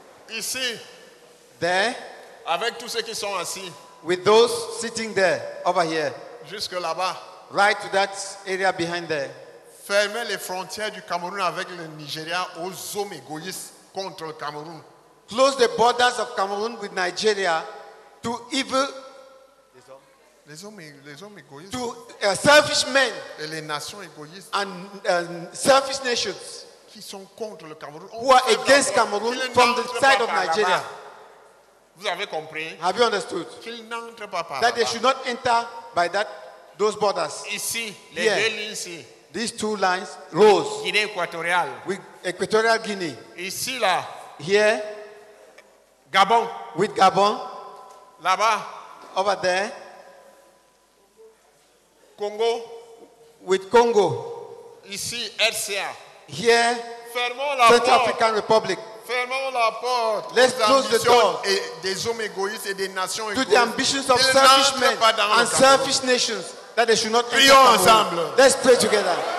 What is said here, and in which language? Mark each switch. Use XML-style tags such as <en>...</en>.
<fr>Ici.</fr> <en>There.</en> <fr>Avec tous ceux qui sont assis.</fr> <en>With those sitting there, over here.</en> <fr>Jusque là-bas.</fr> <en>Right to that area behind there.</en> <fr>Fermez les frontières du Cameroun avec le Nigeria aux hommes égoïstes contre le Cameroun.</fr> <en>Close the borders of Cameroon with Nigeria to evil.</en> <fr>Les hommes égoïstes.</fr> <en>To selfish men.</en> <fr>Et les nations égoïstes.</fr> <en>And selfish nations.</en> <fr>Qui sont contre le Cameroun.</fr> <en>Who are against Cameroun from the side of Nigeria.</en> <fr>Vous avez compris?</fr> <en>Have you understood?</en> <fr>Qu'ils n'entrent pas par là.</fr> <en>That they should not enter by those borders.</en> <fr>Ici, les deux lignes ici.</fr> <en>These two lines, rose.</en> <fr>Guinée équatoriale.</fr> <en>With Equatorial Guinea.</en> <fr>Ici là.</fr> <en>Here.</en> <fr>Gabon.</fr> <en>With Gabon.</en> <fr>Là-bas.</fr> <en>Over there.</en> <fr>Congo.</fr> <en>With Congo.</en> <fr>Ici, RCA.</fr> <en>Here.</en> <fr>Fermons la</fr> <en>Central African Republic.</en> <fr>Fermons la porte.</fr> <en>Let's close the door.</en> <fr>Et des hommes égoïstes et des nations égoïstes.</fr> <en>To the ambitions of selfish men and selfish nations. That they should not pray</en> <fr>ensemble.</fr> <en>Let's pray together.</en>